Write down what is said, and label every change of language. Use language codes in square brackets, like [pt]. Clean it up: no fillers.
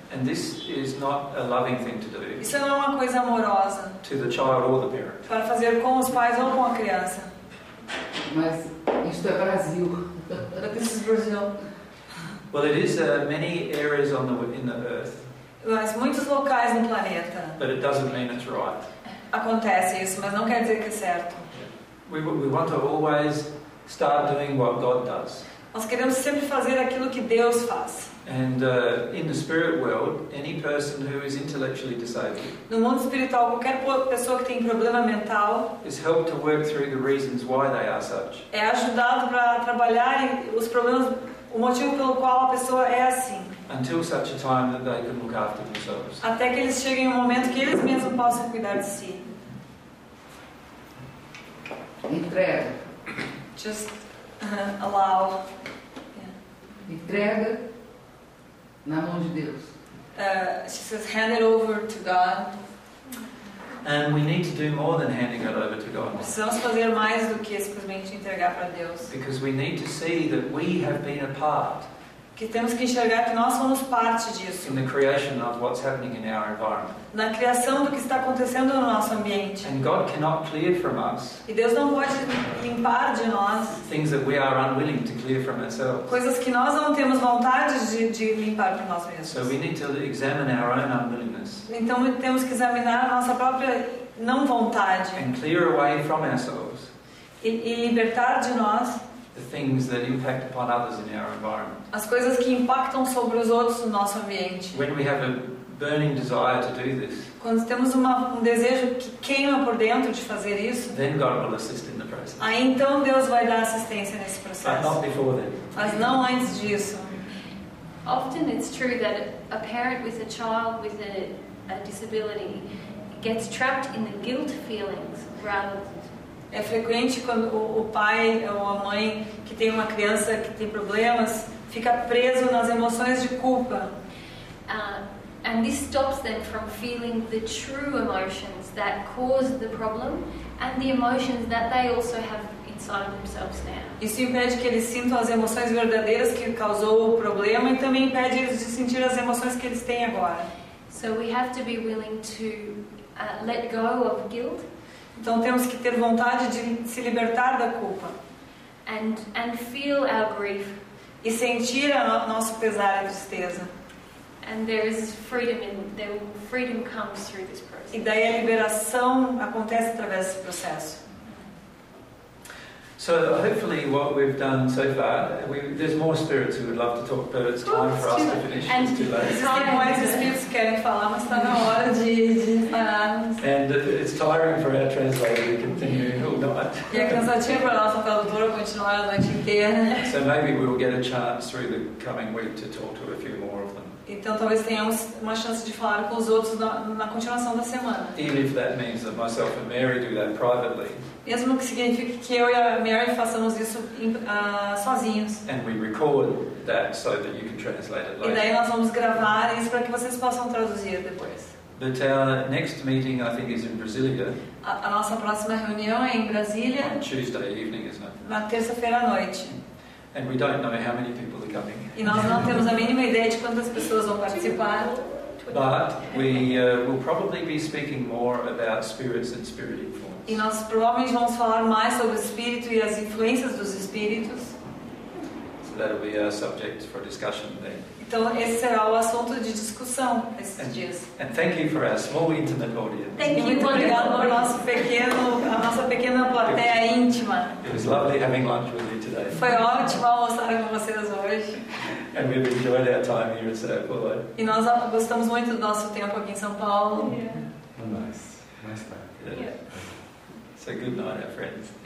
[en] And this is not a loving thing to do. [pt] Isso não é uma coisa amorosa. [en] To the child or the parent. [pt] Para fazer com os pais ou com a criança. Mas isto é Brasil. [en] But this is Brazil. Well, it is many areas in the earth. [pt] Mas muitos locais no planeta. [en] But it doesn't mean it's right. [pt] Acontece isso, mas não quer dizer que é certo. [en] We want to always start doing what God does. [pt] Nós queremos sempre fazer aquilo que Deus faz. [en] And in the spirit world, any person who is intellectually disabled. [pt] No mundo espiritual, qualquer pessoa que tem problema mental. [en] Is helped to work through the reasons why they are such. [pt] É ajudado para trabalhar os problemas, o motivo pelo qual a pessoa é assim. [en] Until such a time that they can look after themselves. [pt] Até que eles cheguem um momento que eles mesmos possam cuidar de si. Entrega. [en] Just allow. [pt] Yeah. Entrega na mão de Deus. [en] She says, hand it over to God. And we need to do more than handing it over to God. [pt] Precisamos fazer mais do que simplesmente entregar para Deus. [en] Because we need to see that we have been a part. [pt] Que temos que enxergar que nós somos parte disso. [en] In the creation of what's happening in our environment. [pt] Na criação do que está acontecendo no nosso ambiente. [en] And God cannot clear from us. [pt] E Deus não pode limpar de nós. [en] Things that we are unwilling to clear from ourselves. [pt] Coisas que nós não temos vontade de limpar de nós mesmos. [en] So we need to examine our own unwillingness. [pt] Então temos que examinar a nossa própria não vontade. [en] And clear away from ourselves. [pt] E libertar de nós. [en] The things that impact upon others in our environment. [pt] As coisas que impactam sobre os outros no nosso ambiente. [en] When we have a burning desire to do this, [pt] quando temos um desejo que queima por dentro de fazer isso, [en] then God will assist in the process. [pt] Aí então Deus vai dar assistência nesse processo. [en] But not before then. [pt] Mas não antes disso. [en] Often it's true that a parent with a child with a disability gets trapped in the guilt feelings rather than. [pt] É frequente quando o pai ou a mãe que tem uma criança que tem problemas fica preso nas emoções de culpa. [en] And this stops them from feeling the true emotions that caused the problem and the emotions that they also have inside of themselves now. [pt] Isso impede que eles sintam as emoções verdadeiras que causou o problema e também impede eles de sentir as emoções que eles têm agora. [en] So we have to be willing to let go of guilt. [pt] Então temos que ter vontade de se libertar da culpa. [en] And feel our grief. [pt] E sentir o nosso pesar e tristeza. [en] And there is freedom in there. Freedom comes through this process. [pt] E daí a liberação acontece através desse processo. [en] So hopefully what we've done so far, there's more spirits who would love to talk, but it's time for us to finish. And it's too late. [pt] Tem mais espíritos que querem falar, mas está na hora de pararmos. [en] And it's tiring for our translator to continue all night. [pt] E é cansativo para nossa tradutora continuar a noite inteira. [en] So maybe we'll get a chance through the coming week to talk to a few more of them. [pt] Então talvez tenhamos uma chance de falar com os outros na continuação da semana. [en] Even if that means that myself and Mary do that privately. [pt] Mesmo que signifique que eu e a Mary façamos isso sozinhos. [en] And we record that so that you can translate it later. [pt] E daí nós vamos gravar isso para que vocês possam traduzir depois. [en] But our next meeting, I think, is in Brasília. [pt] A nossa próxima reunião é em Brasília. [en] On Tuesday evening, isn't it? [pt] Na terça-feira à noite. [en] And we don't know how many people are coming. [pt] E nós não temos a mínima ideia de quantas pessoas vão participar. [en] But we will probably be speaking more about spirits and spirit influence. [pt] E nós provavelmente vamos falar mais sobre o espírito e as influências dos espíritos. [en] So that'll be our subject for discussion then. [pt] Então esse será o assunto de discussão esses dias. [en] And thank you for our small intimate audience. Thank you. [pt] Muito obrigado por a nossa pequena plateia íntima. [en] It was lovely having lunch with you today. [pt] Foi ótimo almoçar com vocês hoje. [en] And we've enjoyed our time here in São Paulo. [pt] E nós gostamos muito do nosso tempo aqui em São Paulo. [en] Nice time. Yeah. So good night, our friends.